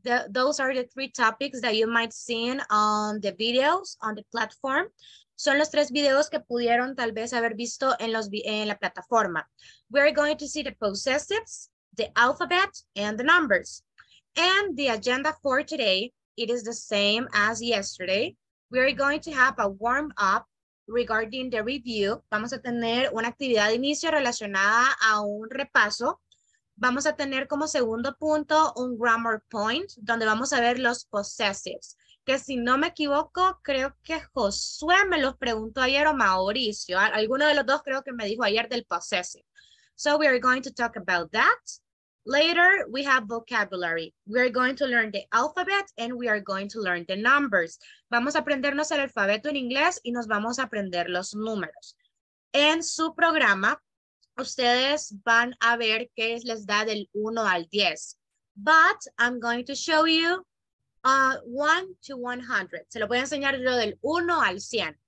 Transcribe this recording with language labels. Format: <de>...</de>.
<en>Those are the three topics that you might see on the videos on the platform.</en> <es>Son los tres videos que pudieron tal vez haber visto en la plataforma.</es> <en>We're going to see the possessives, the alphabet, and the numbers. And the agenda for today, it is the same as yesterday. We're going to have a warm-up regarding the review.</en> <es>Vamos a tener una actividad de inicio relacionada a un repaso. Vamos a tener como segundo punto un grammar point donde vamos a ver los possessives. Que si no me equivoco, creo que Josué me los preguntó ayer o Mauricio. Alguno de los dos creo que me dijo ayer del possessive.</es> <en>So we are going to talk about that. Later, we have vocabulary. We are going to learn the alphabet and we are going to learn the numbers.</en> <es>Vamos a aprendernos el alfabeto en inglés y nos vamos a aprender los números. En su programa, ustedes van a ver qué les da del 1 al 10.</es> <en>But I'm going to show you 1 to 100.</en> <es>Se lo voy a enseñar yo del 1 al 100.</es>